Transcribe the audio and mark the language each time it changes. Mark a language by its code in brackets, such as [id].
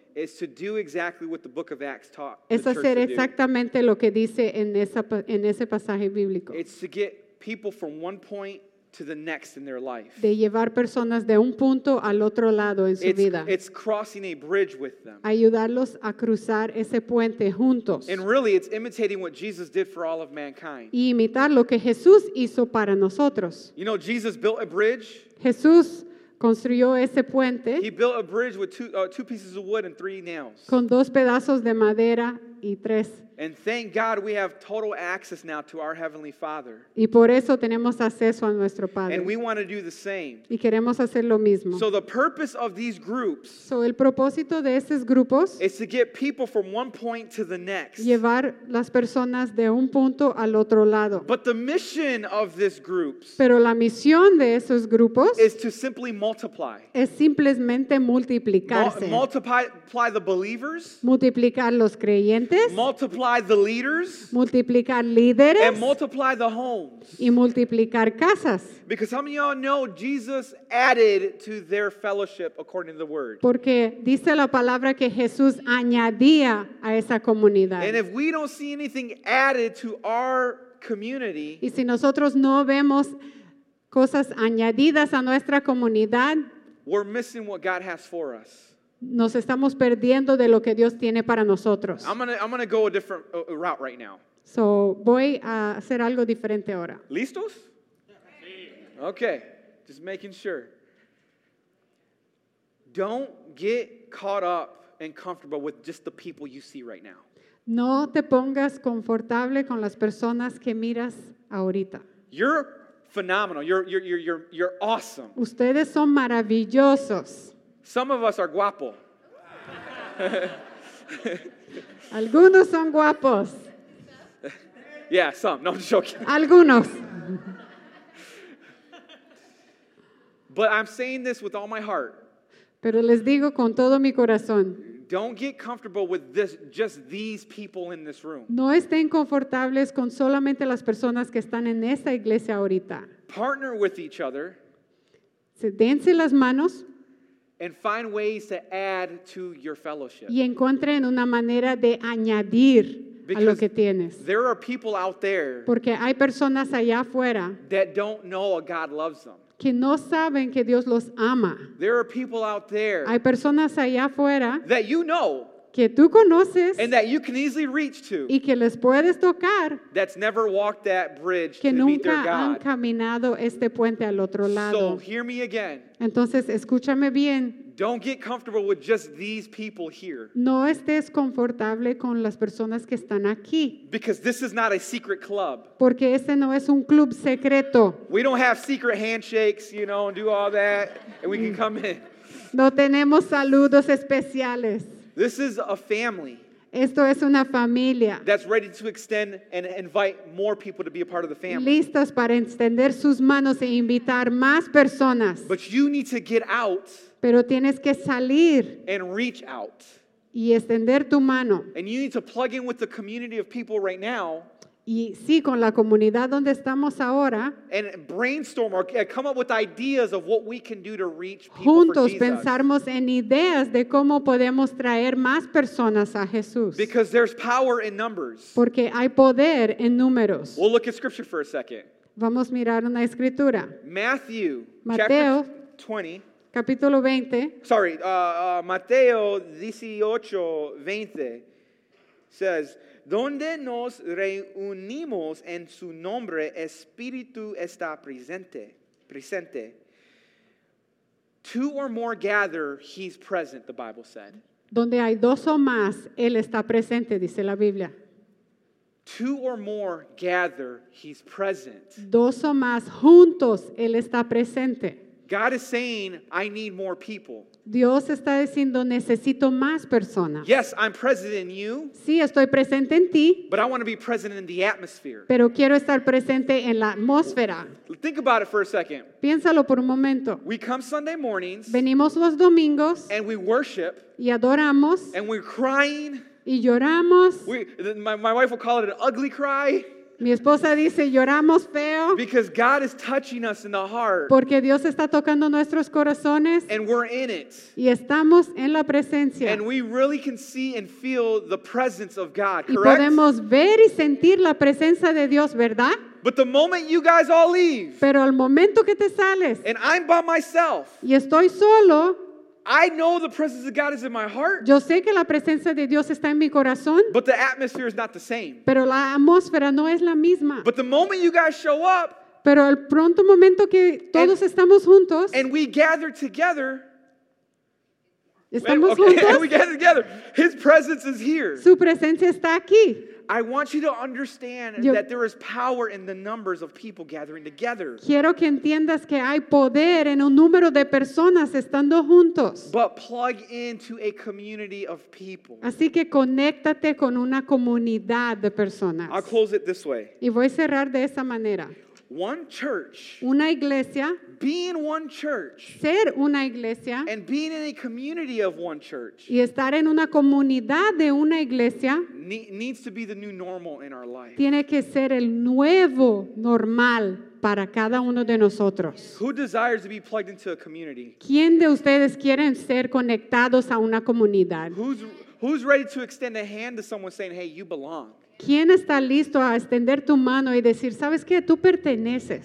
[en] is to do exactly what the book of Acts taught. [es] Es hacer exactamente lo que dice en ese pasaje bíblico. [en] It's to get people from one point to the next in their life. [es] De llevar personas de un punto al otro lado en su vida. [en] It's crossing a bridge with them. [es] Ayudarlos a cruzar ese puente juntos. [en] And really, it's imitating what Jesus did for all of mankind. [es] Y imitar lo que Jesús hizo para nosotros. [en] You know, Jesus built a bridge. [es] Jesús construyó ese puente. [en] He built a bridge with two pieces of wood and three nails. [es] Con dos pedazos de madera y tres. [en] And thank God we have total access now to our Heavenly Father. [es] Y por eso tenemos acceso a nuestro Padre. [en] And we want to do the same. [es] Y queremos hacer lo mismo. [en] So the purpose of these groups, [es] so el propósito de esos grupos, [en] is to get people from one point to the next. [es] Llevar las personas de un punto al otro lado. [en] But the mission of this groups, [es] pero la misión de esos grupos, [en] is to simply multiply. [es] Es simplemente multiplicarse. [en] Multiply the believers. [es] Multiplicar los creyentes. [en] Multiply the leaders, [es] multiplicar líderes, [en] and multiply the homes, [es] y multiplicar casas. [en] Because how many of y'all know Jesus added to their fellowship according to the word? [es] Porque dice la palabra que Jesús añadía a esa comunidad. [en] And if we don't see anything added to our community, [es] y si nosotros no vemos cosas añadidas a nuestra comunidad, [en] we're missing what God has for us. [es] Nos estamos perdiendo de lo que Dios tiene para nosotros. [en] I'm gonna go a different route right now. [es] So voy a hacer algo diferente ahora. ¿Listos? Sí. [en] Okay, just making sure. Don't get caught up and comfortable with just the people you see right now. [es] No te pongas confortable con las personas que miras ahorita. [en] You're phenomenal. You're awesome. [es] Ustedes son maravillosos. [en] Some of us are guapo. [es] Algunos son guapos. [en] Yeah, some. No, I'm just joking. [es] Algunos. [en] But I'm saying this with all my heart. [es] Pero les digo con todo mi corazón. [en] Don't get comfortable with this, just these people in this room. [es] No estén confortables con solamente las personas que están en esta iglesia ahorita. [en] Partner with each other. [es] Dense las manos. [en] And find ways to add to your fellowship. [es] Y encuentren una manera de añadir [en] because [es] a lo que tienes. [en] There are people out there. [es] Porque hay personas allá afuera. [en] That don't know a God loves them. [es] Que no saben que Dios los ama. [en] There are people out there. [es] Hay personas allá afuera. [en] That you know. [es] Que tú conoces. [en] And that you can easily reach to. [es] Y que les puedes tocar. [en] That's never walked that bridge [es] que [en] to meet their God. [es] Que nunca han caminado este puente al otro lado. [en] So hear me again. [es] Entonces escúchame bien. [en] Don't get comfortable with just these people here. [es] No estés confortable con las personas que están aquí. [en] Because this is not a secret club. [es] Porque este no es un club secreto. [en] We don't have secret handshakes, you know, and do all that, and we can come in. [es] No tenemos saludos especiales. [en] This is a family. [es] Esto es una familia. [en] That's ready to extend and invite more people to be a part of the family. [es] Listos para extender sus manos e invitar más personas. [en] But you need to get out. [es] Pero tienes que salir. [en] And reach out. [es] Y extender tu mano. [en] And you need to plug in with the community of people right now. [es] Y sí, con la comunidad donde estamos ahora. [en] And brainstorm or come up with ideas of what we can do to reach people [es] juntos [en] for Jesus. [es] Pensamos en ideas de cómo podemos traer más personas a Jesús. [en] Because there's power in numbers. [es] Porque hay poder en números. [en] We'll look at scripture for a second. [es] Vamos a mirar una escritura. [en] Matthew, [es] Mateo, [en] chapter 20. [es] Capítulo 20. [en] Sorry, [es] Mateo 18:20 says, donde nos reunimos en su nombre, Espíritu está presente. Presente. [en] Two or more gather, he's present, the Bible said. [es] Donde hay dos o más, él está presente, dice la Biblia. [en] Two or more gather, he's present. [es] Dos o más juntos, él está presente. [en] God is saying, I need more people. [es] Dios está diciendo, necesito más personas. [en] Yes, I'm present in you. [es] Sí, estoy presente en ti. [en] But I want to be present in the atmosphere. [es] Pero quiero estar presente en la atmósfera. [en] Think about it for a second. [es] Piénsalo por un momento. [en] We come Sunday mornings. [es] Venimos los domingos. [en] And we worship. [es] Y adoramos. [en] And we're crying. [es] Y lloramos. [en] My wife will call it an ugly cry. [es] Mi esposa dice, lloramos feo. [en] Because God is touching us in the heart. [es] Porque Dios está tocando nuestros corazones. [en] And we're in it. [es] Y estamos en la presencia. [en] And we really can see and feel the presence of God, correct? [es] Y podemos ver y sentir la presencia de Dios, ¿verdad? [en] But the moment you guys all leave. [es] Pero al momento que te sales. [en] And I'm by myself. [es] Y estoy solo. [en] I know the presence of God is in my heart. [es] Yo sé que la presencia de Dios está en mi corazón. [en] But the atmosphere is not the same. [es] Pero la atmósfera no es la misma. [en] But the moment you guys show up. [es] Pero el pronto momento que todos estamos juntos. [en] And we gather together. [es] Estamos juntos. [en] And we gather together. His presence is here. [es] Su presencia está aquí. [en] I want you to understand that there is power in the numbers of people gathering together. [es] Quiero que entiendas que hay poder en un número de personas estando juntos. [en] But plug into a community of people. [es] Así que conéctate con una comunidad de personas. [en] I'll close it this way. [es] Y voy a cerrar de esa manera. [en] One church. [es] Una iglesia. [en] Being one church. [es] Ser una iglesia. [en] And being in a community of one church. [es] Y estar en una comunidad de una iglesia. [en] Needs to be the new normal in our life. [es] Tiene que ser el nuevo normal para cada uno de nosotros. [en] Who desires to be plugged into a community? [es] ¿Quién de ustedes quieren ser conectados a una comunidad? [en] Who's ready to extend a hand to someone saying, hey, you belong? [es] ¿Quién está listo a extender tu mano y decir, sabes qué, tú perteneces?